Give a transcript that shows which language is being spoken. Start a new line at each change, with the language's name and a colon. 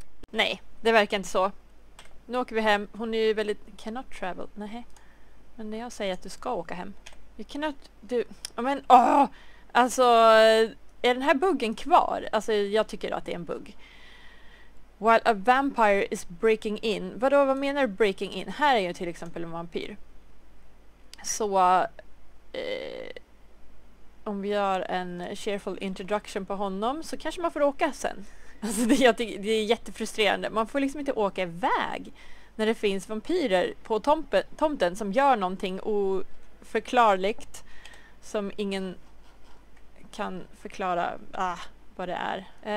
Swedish: Nej, det verkar inte så. Nu åker vi hem. Hon är ju väldigt...
English: Cannot travel.
Swedish: Nej. Men när jag säger att du ska åka hem.
English: You cannot...
Swedish: Du... Men... Åh! Alltså... Är den här buggen kvar? Alltså, jag tycker att det är en bugg.
English: While a vampire is breaking in.
Swedish: Vadå, vad menar du breaking in? Här är ju till exempel en vampyr. Så... om vi gör en cheerful introduction på honom så kanske man får åka sen. Alltså, det är jättefrustrerande. Man får liksom inte åka iväg när det finns vampyrer på tomten som gör någonting oförklarligt som ingen kan förklara vad det är.